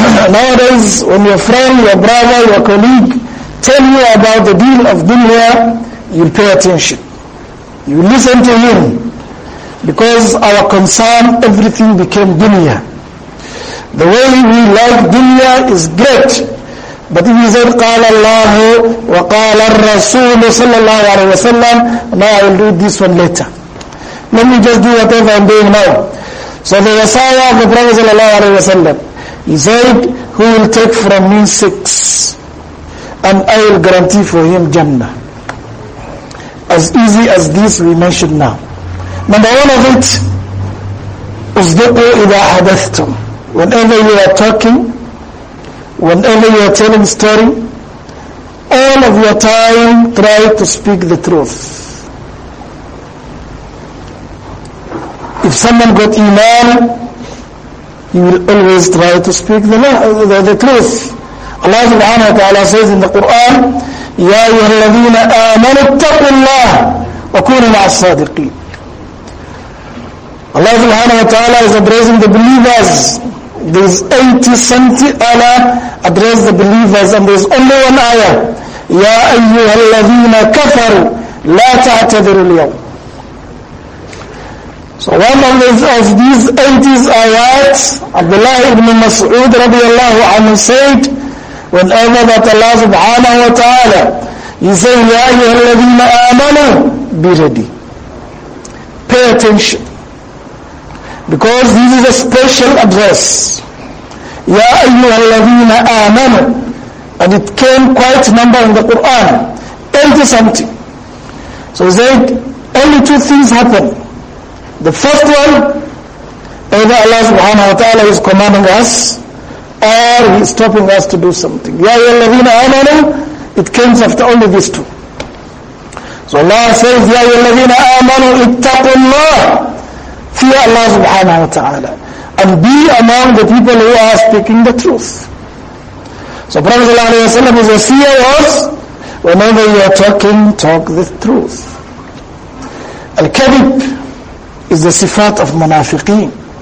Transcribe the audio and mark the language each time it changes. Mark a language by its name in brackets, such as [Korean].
[English] Nowadays, when your friend, your brother, your colleague tell you about the deal of dunya, you pay attention. You listen to him. Because our concern, everything became dunya. The way we like dunya is great. But he said, [Arabic] قال الله وقال الرسول صلى الله عليه وسلم. [English] Now I will read this one later. Let me just do whatever I'm doing now. So the Messiah of the Prophet [Arabic] صلى الله عليه وسلم, [English] he said, who will take from me six? And I will guarantee for him Jannah. As easy as this we mentioned now. Number one of it, [Arabic] اصدقوا إذا حدثتم. [English] Whenever you are talking, whenever you are telling story, all of your time try to speak the truth. If someone got iman, he will always try to speak the truth. Allah subhanahu wa ta'ala says in the Quran, [Arabic] يَا أَيُّهَا الَّذِينَ آمَنُوا اتَّقُوا اللَّهَ وَكُونُوا مَعَ الصَّادِقِينَ. [English] Allah subhanahu wa ta'ala is addressing the believers. There's 80-70 Allah address the believers, and there's only one ayah. [Arabic] يَا أَيُّهَا الَّذِينَ كَفَرُوا لَا تَعْتَذِرُوا الْيَوْمِ. [English] So one of these 80 ayat, Abdullah ibn Mas'ud radiallahu anhu said, whenever that Allah subhanahu wa ta'ala, he said, [Arabic] يَا أَيُّهَا الَّذِينَ آمَنُوا, [English] be ready. Pay attention. Because this is a special address. [Arabic] يَا أَيُّهَا الَّذِينَ آمَنُوا. [English] And it came quite a number in the Quran. 80-something. So he said, only two things happen. The first one, either Allah subhanahu wa ta'ala is commanding us, or he's stopping us to do something. [Arabic] يَا أَيُّهَا الَّذِينَ آمَنُوا. [English] It comes after only these two. So Allah says, [Arabic] يَا أَيُّهَا الَّذِينَ آمَنُوا اتَّقُوا اللَّهِ. [English] Fear Allah subhanahu wa ta'ala. And be among the people who are speaking the truth. So Prophet sallallahu alayhi wa sallam, his wasiya was, whenever you are talking, talk the truth. Al-Kadib is the sifat of munafiqeen.